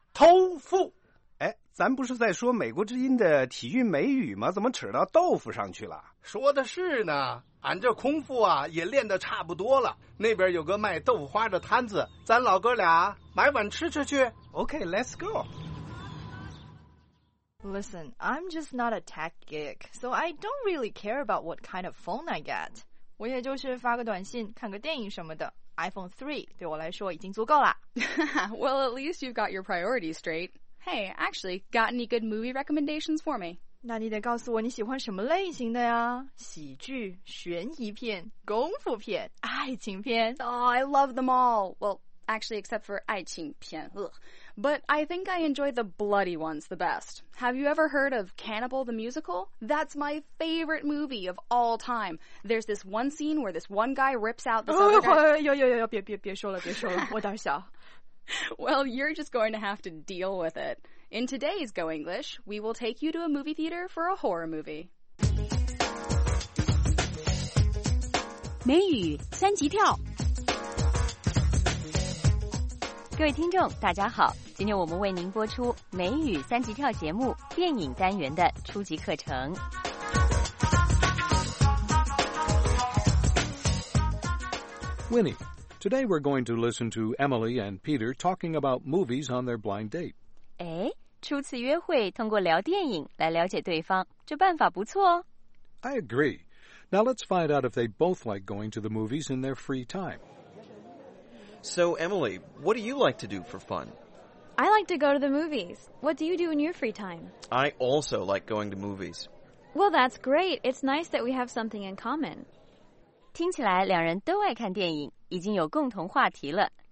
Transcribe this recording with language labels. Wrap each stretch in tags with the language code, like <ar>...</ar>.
<zh>豆腐。哎，咱不是在说美国之音的体育美语吗？怎么扯到豆腐上去了？说的是呢，俺这空腹啊也练得差不多了，那边有个卖豆腐花的摊子，咱老哥俩买碗吃吃去。</zh> <en>OK， let's go Listen, I'm just not a tech geek, so I don't really care about what kind of phone I get.</en> <zh>我也就是发个短信，看个电影什么的。 iPhone 3对我来说已经足够了。</zh> <en>Well, at least you've got your priorities straight. Hey, actually, got any good movie recommendations for me?</en> <zh>那你得告诉我你喜欢什么类型的呀？喜剧、悬疑片、功夫片、爱情片。</zh> <en>Oh, I love them all. Well, actually, except for</en> <zh>爱情片。</zh> <en>Ugh. But I think I enjoy the bloody ones the best. Have you ever heard of Cannibal the Musical? That's my favorite movie of all time. There's this one scene where this one guy rips out this other guy. Well, you're just going to have to deal with it. In today's Go English, we will take you to a movie theater for a horror movie.</en> <zh>美语三级跳。各位听众大家好，今天我们为您播出美语三级跳节目电影单元的初级课程。</zh> <en>Winnie, today we're going to listen to Emily and Peter talking about movies on their blind date.</en> <zh>哎，初次约会通过聊电影来了解对方，这办法不错哦。</zh> <en>I agree. Now let's find out if they both like going to the movies in their free time. So, Emily, what do you like to do for fun? I like to go to the movies. What do you do in your free time? I also like going to movies. Well, that's great. It's nice that we have something in common.</en> <zh>听起来两人都爱看电影，已经有共同话题了。</zh>